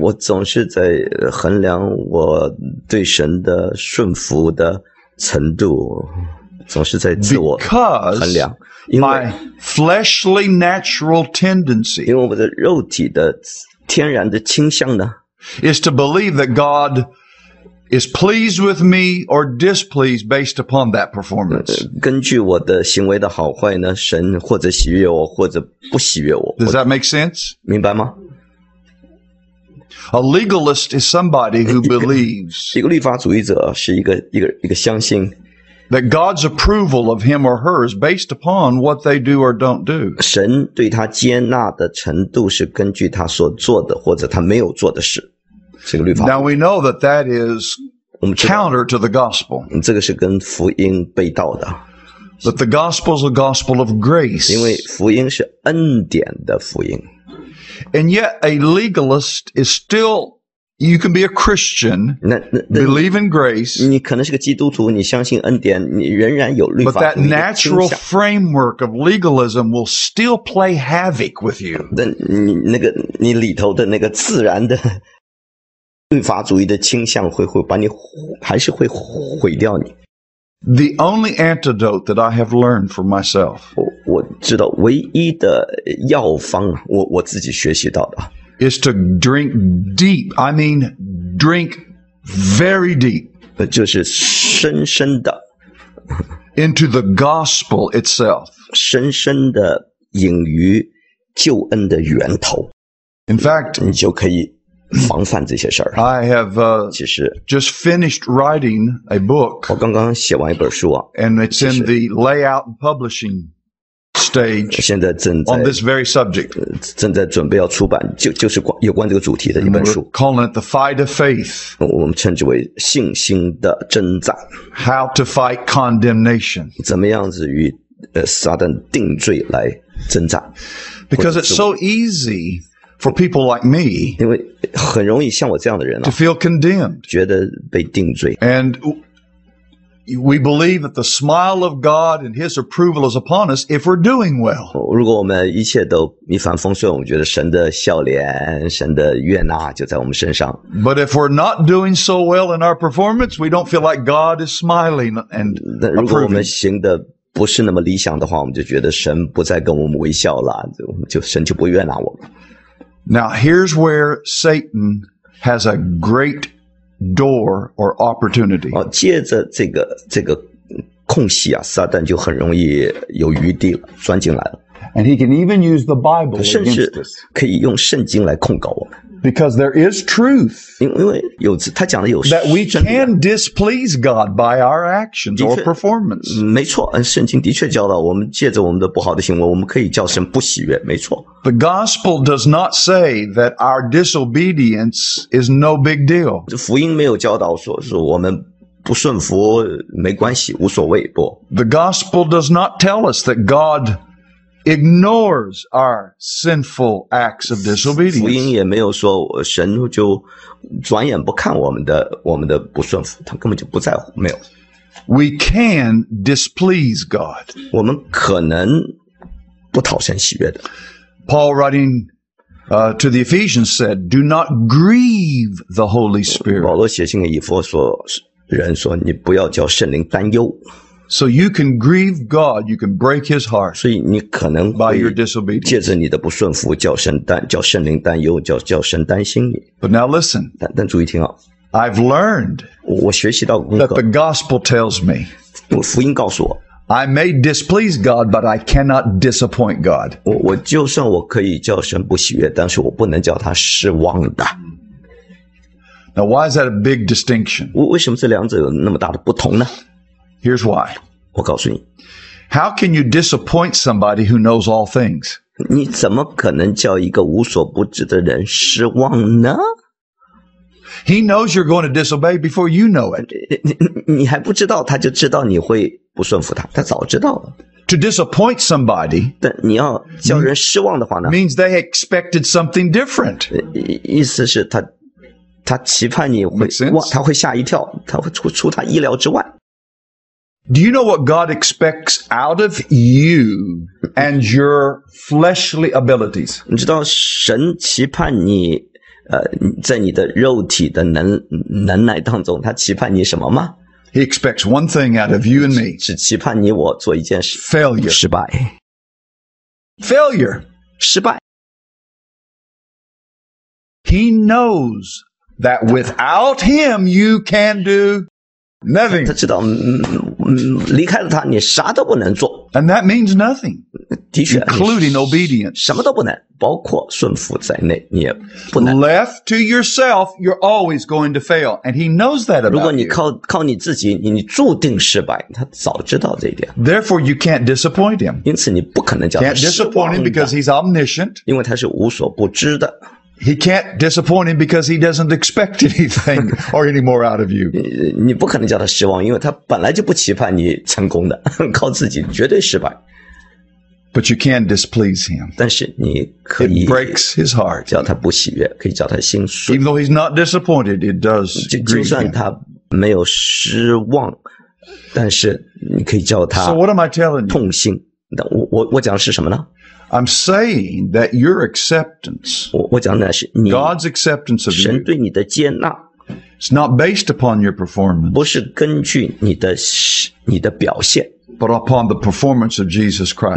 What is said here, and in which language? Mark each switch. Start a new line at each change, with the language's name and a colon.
Chinese: 我总是在衡量我对神的顺服的程度，总是在自我衡量。
English: Because my fleshly natural tendency,
Chinese: 因为我的肉体的天然的倾向呢,
English: is to believe that God is pleased with me or displeased based upon that performance.
Chinese: 根据我的行为的好坏呢，神或者喜悦我，或者不喜悦我。
English: Does that make sense?
Chinese: 明白吗？
English: A legalist is somebody who believes
Chinese: 一个律法主义者是一个相信
English: that God's approval of him or her is based upon what they do or don't do.
Chinese: 神对他接纳的程度是根据他所做的或者他没有做的事。
English: Now we know that that is counter to the gospel.
Chinese: 这个是跟福音背道的。
English: But the gospel is a gospel of grace.
Chinese: 因为福音是恩典的福音。
English: And yet a legalist is still, you can be a Christian, believe in grace.
Chinese: 你可能是个基督徒，你相信恩典，你仍然有律法主义。
English: But that natural framework of legalism will still play havoc with you.
Chinese: 你里头的那个自然的律法主义的倾向会把你还是会毁掉你。
English: The only antidote that I have learned for myself,
Chinese: 我知道唯一的药方我自己学习到的
English: is to drink deep, I mean drink very deep,
Chinese: 就是深深的
English: into the gospel itself,
Chinese: 深深的饮于救恩的源头。
English: In fact,
Chinese: 你就可以防范这些事儿。
English: I have, just finished writing a book.
Chinese: 我刚刚写完一本书啊。
English: And it's in the layout and publishing stage.
Chinese: 现在正在
English: on this very subject.
Chinese: 正在准备要出版，就是有关这个主题的一本书。
English: We're calling it the fight of faith.
Chinese: 我们称之为信心的征战。
English: How to fight condemnation.
Chinese: 怎么样子与撒旦定罪来征战。
English: Because it's so easy. For people like me,
Chinese: 因为很容易像我这样的人啊,
English: to feel condemned,
Chinese: 觉得被定罪。
English: And we believe that the smile of God and His approval is upon us if we're doing well.
Chinese: 如果我们一切都一帆风顺，我们觉得神的笑脸、神的悦纳就在我们身上。
English: But if we're not doing so well in our performance, we don't feel like God is smiling and approving.
Chinese: 如果我们行的不是那么理想的话，我们就觉得神不再跟我们微笑了，就神就不悦纳我们。
English: Now, here's where Satan has a great door or opportunity.
Chinese: 借着这个空隙啊，撒旦就很容易有余地了，钻进来了。
English: And he can even use the Bible against us.
Chinese: 甚至可以用圣经来控告我们。
English: Because there is truth.
Chinese: 因为有他讲的有真理。
English: That we can displease God by our actions or performance.
Chinese: 没错，圣经的确教导我们，借着我们的不好的行为，我们可以叫神不喜悦。没错。
English: The gospel does not say that our disobedience is no big deal.
Chinese: 福音没有教导说是我们不顺服没关系，无所谓，不。
English: The gospel does not tell us that God ignores our sinful acts of disobedience.
Chinese: 福音也没有说神就转眼不看我们的不顺服，他根本就不在乎，没有。
English: We can displease God.
Chinese: 我们可能不讨神喜悦的。
English: Paul writing, to the Ephesians said, "Do not grieve the Holy Spirit."
Chinese: 保罗写信给以弗所人说，你不要叫圣灵担忧。
English: So you can grieve God, you can break His heart.
Chinese: 所以你可能
English: by your disobedience,
Chinese: 借着你的不顺服，叫圣灵担忧，叫神担心你。
English: But now listen.
Chinese: 但注意听啊。
English: I've learned.
Chinese: 我学习到功课。
English: That the gospel tells me.
Chinese: 福音告诉我。
English: I may displease God, but I cannot disappoint God.
Chinese: 我就算我可以叫神不喜悦，但是我不能叫他失望的。
English: Now why is that a big distinction?
Chinese: 为什么这两者有那么大的不同呢？
English: Here's why.
Chinese: 我告诉你。
English: How can you disappoint somebody who knows all things?
Chinese: 你怎么可能叫一个无所不知的人失望呢？
English: He knows you're going to disobey before you know it.
Chinese: 你还不知道，他就知道你会不顺服他，他早知道了。
English: To disappoint somebody,
Chinese: 但你要叫人失望的话呢？
English: means they expected something different.
Chinese: 意思是他期盼你会，他会吓一跳，他会出他意料之外。
English: Do you know what God expects out of you and your fleshly abilities?
Chinese: 你知道神期盼你，在你的肉体的能耐当中，他期盼你什么吗？
English: He expects one thing out of you and me.
Chinese: 只期盼你我做一件事。
English: Failure.
Chinese: 失败。
English: Failure.
Chinese: 失败。
English: He knows that without Him you can do nothing.
Chinese: 他知道。离开了他，你啥都不能做。
English: And that means nothing.
Chinese: 的确，
English: including obedience.
Chinese: 什么都不能，包括顺服在内，你也不能。
English: Left to yourself, you're always going to fail. And he knows that about you.
Chinese: 如果你靠你自己，你注定失败，他早知道这一点。
English: Therefore, you can't disappoint him.
Chinese: 因此你不可能叫他失望的。
English: Can't disappoint him because he's omniscient.
Chinese: 因为他是无所不知的。
English: He can't disappoint him because he doesn't expect anything or any more out of you.
Chinese: 你不可能叫他失望，因为他本来就不期盼你成功的，靠自己绝对失败。
English: But you can displease him.
Chinese: 但是你可以。
English: It breaks his heart.
Chinese: 叫他不喜悦，可以叫他心碎。
English: Even though he's not disappointed, it does.
Chinese: 就算他没有失望，但是你可以叫他。
English: So what am I telling you?
Chinese: 痛心。我讲的是什么呢？
English: I'm saying that your acceptance,
Chinese: 我讲的是你
English: God's acceptance of you,
Chinese: 神对你的接纳
English: is not based upon your performance,
Chinese: 不是根据你的表现
English: but upon the performance of Jesus Christ,